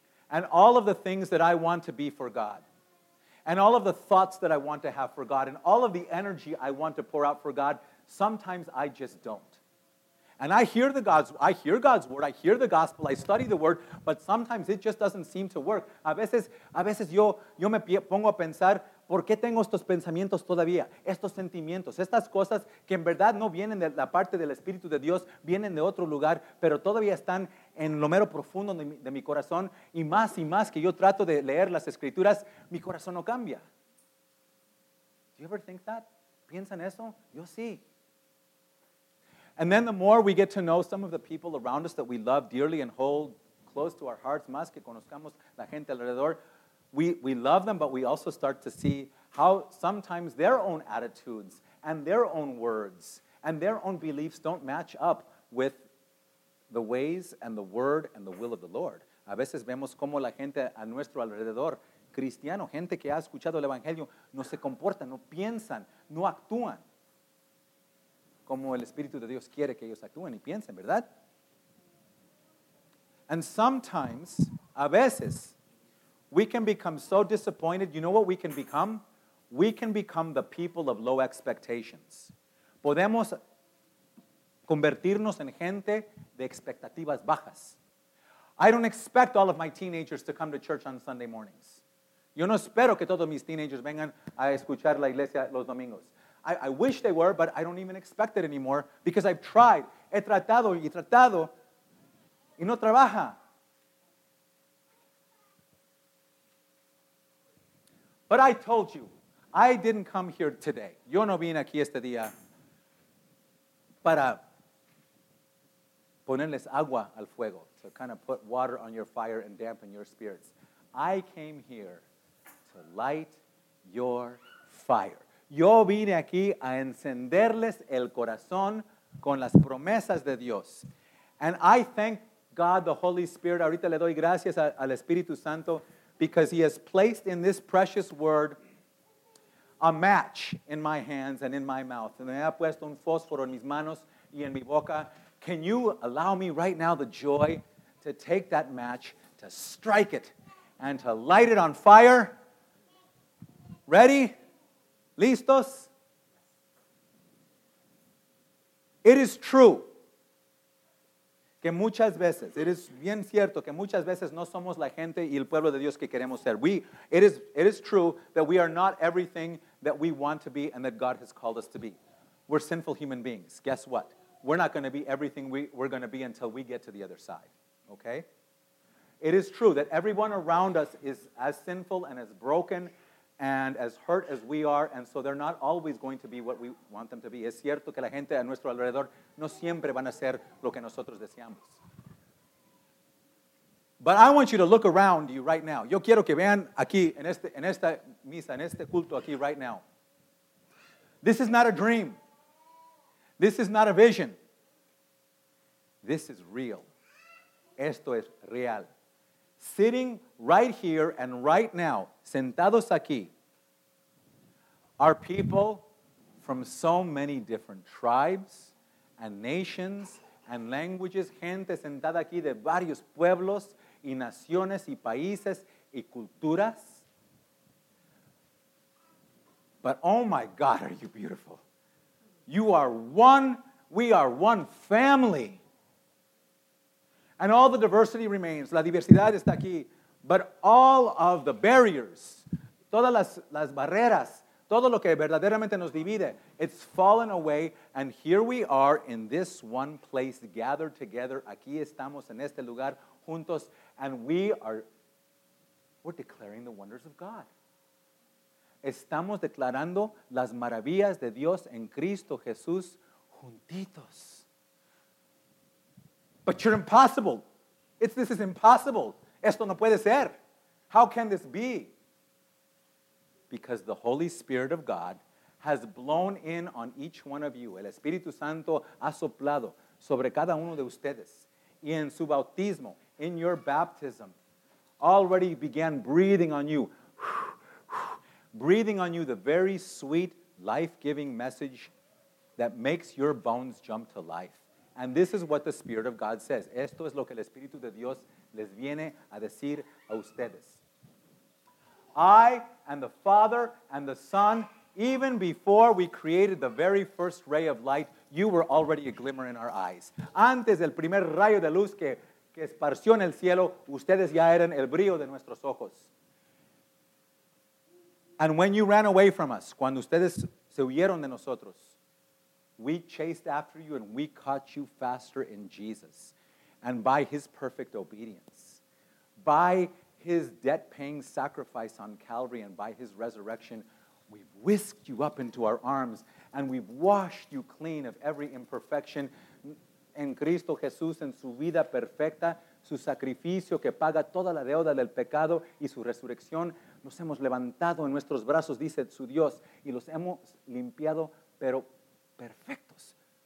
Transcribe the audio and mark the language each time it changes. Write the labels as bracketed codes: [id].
[en] And all of the things that I want to be for God, and all of the thoughts that I want to have for God, and all of the energy I want to pour out for God, sometimes I just don't. And I hear God's word, I hear the gospel, I study the word, but sometimes it just doesn't seem to work. [es] A veces yo me pongo a pensar, ¿por qué tengo estos pensamientos todavía? Estos sentimientos, estas cosas que en verdad no vienen de la parte del Espíritu de Dios, vienen de otro lugar, pero todavía están en lo mero profundo de mi corazón, y más que yo trato de leer las Escrituras, mi corazón no cambia. [en] Do you ever think that? [es] ¿Piensan eso? Yo sí. [en] And then the more we get to know some of the people around us that we love dearly and hold close to our hearts, [es] más que conozcamos la gente alrededor, [en] we love them, but we also start to see how sometimes their own attitudes and their own words and their own beliefs don't match up with the ways and the word and the will of the Lord. [es] A veces vemos cómo la gente a nuestro alrededor, cristiano, gente que ha escuchado el Evangelio, no se comportan, no piensan, no actúan como el Espíritu de Dios quiere que ellos actúen y piensen, ¿verdad? [en] And sometimes, [es] a veces, [en] we can become so disappointed. You know what we can become? We can become the people of low expectations. [es] Podemos convertirnos en gente de expectativas bajas. [en] I don't expect all of my teenagers to come to church on Sunday mornings. [es] Yo no espero que todos mis teenagers vengan a escuchar la iglesia los domingos. [en] I wish they were, but I don't even expect it anymore because I've tried. [es] He tratado y tratado y no trabaja. [en] But I told you, I didn't come here today. [es] Yo no vine aquí este día para ponerles agua al fuego, [en] to kind of put water on your fire and dampen your spirits. I came here to light your fire. [es] Yo vine aquí a encenderles el corazón con las promesas de Dios. [en] And I thank God, the Holy Spirit, [es] ahorita le doy gracias al Espíritu Santo, [en] because he has placed in this precious word a match in my hands and in my mouth. [es] Me ha puesto un fósforo en mis manos y en mi boca. [en] Can you allow me right now the joy to take that match, to strike it, and to light it on fire? Ready? [es] Listos? [en] It is true. [es] Que muchas veces, [en] it is [es] bien cierto que muchas veces no somos la gente y el pueblo de Dios que queremos ser. [en] It is true that we are not everything that we want to be and that God has called us to be. We're sinful human beings. Guess what? We're not going to be everything we're going to be until we get to the other side. Okay? It is true that everyone around us is as sinful and as broken and as hurt as we are, and so they're not always going to be what we want them to be. [es] Es cierto que la gente a nuestro alrededor no siempre van a ser lo que nosotros deseamos. [en] But I want you to look around you right now. [es] Yo quiero que vean aquí, en esta misa, en este culto aquí [en] right now. This is not a dream. This is not a vision. This is real. [es] Esto es real. [en] Sitting right here and right now, [es] sentados aquí, [en] are people from so many different tribes and nations and languages. [es] Gente sentada aquí de varios pueblos y naciones y países y culturas. [en] But oh my God, are you beautiful. You are one, we are one family. And all the diversity remains. [es] La diversidad está aquí. [en] But all of the barriers, [es] todas las barreras, todo lo que verdaderamente nos divide, [en] it's fallen away, and here we are in this one place gathered together. [es] Aquí estamos en este lugar juntos, [en] and we're declaring the wonders of God. [es] Estamos declarando las maravillas de Dios en Cristo Jesús juntitos. [en] But you're impossible. This is impossible. [es] Esto no puede ser. [en] How can this be? Because the Holy Spirit of God has blown in on each one of you. [es] El Espíritu Santo ha soplado sobre cada uno de ustedes. Y en su bautismo, [en] in your baptism, already began breathing on you. Breathing on you the very sweet, life-giving message that makes your bones jump to life. And this is what the Spirit of God says. [es] Esto es lo que el Espíritu de Dios les viene a decir a ustedes. [en] I and the Father and the Son, even before we created the very first ray of light, you were already a glimmer in our eyes. [es] Antes del primer rayo de luz que esparció en el cielo, ustedes ya eran el brillo de nuestros ojos. [en] And when you ran away from us, [es] cuando ustedes se huyeron de nosotros, [en] we chased after you and we caught you faster in Jesus. And by his perfect obedience, by his debt-paying sacrifice on Calvary and by his resurrection, we've whisked you up into our arms and we've washed you clean of every imperfection. [es] En Cristo Jesús, en su vida perfecta, su sacrificio que paga toda la deuda del pecado y su resurrección, nos hemos levantado en nuestros brazos, dice su Dios, y los hemos limpiado, pero perfectos.